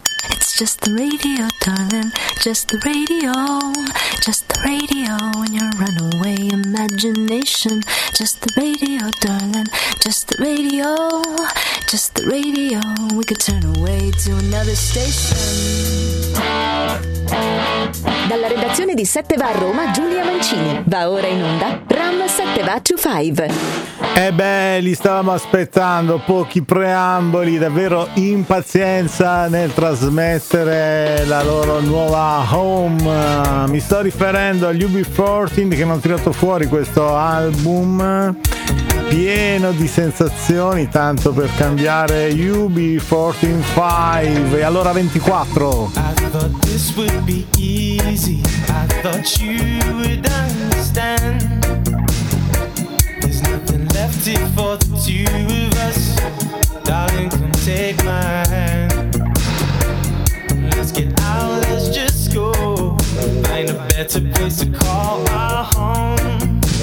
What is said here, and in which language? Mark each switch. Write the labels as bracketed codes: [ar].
[en] It's just the radio, darling. Just the radio. Just the radio in your runaway imagination. Just the radio, darling. Just the radio. Just the radio. We could turn away to another station. [it] Dalla redazione di 7 Va a Roma, Giulia Mancini. Va ora in onda Ram 7 Va to 5. E beh, li stavamo aspettando, pochi preamboli, davvero impazienza nel trasmettere la loro nuova home. Mi sto riferendo agli UB14 che hanno tirato fuori questo album pieno di sensazioni, tanto per cambiare, UB14 5. E allora 24. [en] I thought this would be easy, I thought you would understand. Left it for the two of us, darling, come take my hand. Let's get out, let's just go, find a better place to call our home.